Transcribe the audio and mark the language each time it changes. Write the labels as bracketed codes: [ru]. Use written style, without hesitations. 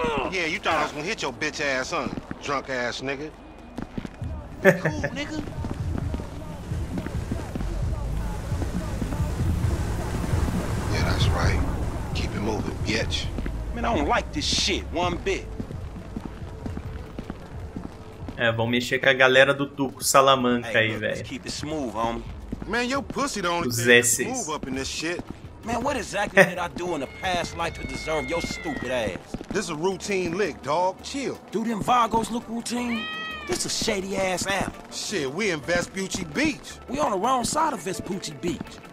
[en] Yeah, you thought I was gonna hit your bitch ass, huh? Drunk ass nigga. Cool, nigga. Yeah, that's right. Keep it moving, bitch. Man, I don't like this shit one bit. [pt] É, vão mexer com a galera do Tuco Salamanca aí, velho. [en] Smooth, man, your pussy don't move up in this shit. Man, what exactly did I do in the past life to deserve your stupid ass? This is a routine lick, dog. Chill. Do them Vagos look routine? This is a shady ass app. Shit, we in Vespucci Beach. We on the wrong side of Vespucci Beach.